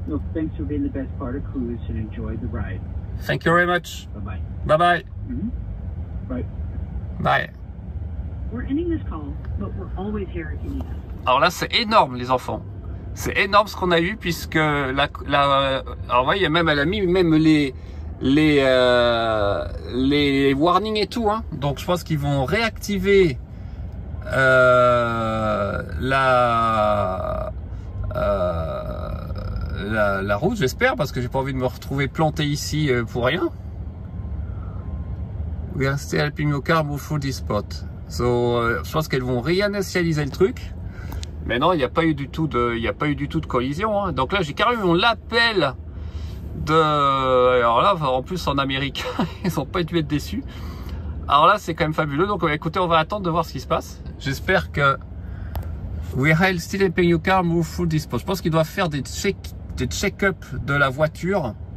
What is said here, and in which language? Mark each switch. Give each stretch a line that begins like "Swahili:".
English: Well, thanks for being the best part of Cruise and enjoy the ride. Thank you very much. Bye-bye. Bye-bye. Mm-hmm. Bye. Bye. We're ending this call, but we're always here if you need us.
French: Alors là, c'est énorme, les enfants. C'est énorme ce qu'on a eu, puisque la alors voyez, ouais, même elle a mis même les warnings et tout. Hein. Donc, je pense qu'ils vont réactiver la route, j'espère, parce que j'ai pas envie de me retrouver planté ici pour rien.
English: We are still helping your car move through this spot.
French: So, je pense qu'elles vont réinitialiser le truc. Mais non, il n'y a pas eu du tout de collision. Hein. Donc là, j'ai carrément l'appel de. Alors là, en plus en Amérique, ils ont pas dû être déçus. Alors là, c'est quand même fabuleux. Donc écoutez, on va attendre de voir ce qui se passe. J'espère que.
English: We are still helping your car move through this spot.
French: Je pense qu'ils doivent faire des check-up de la voiture.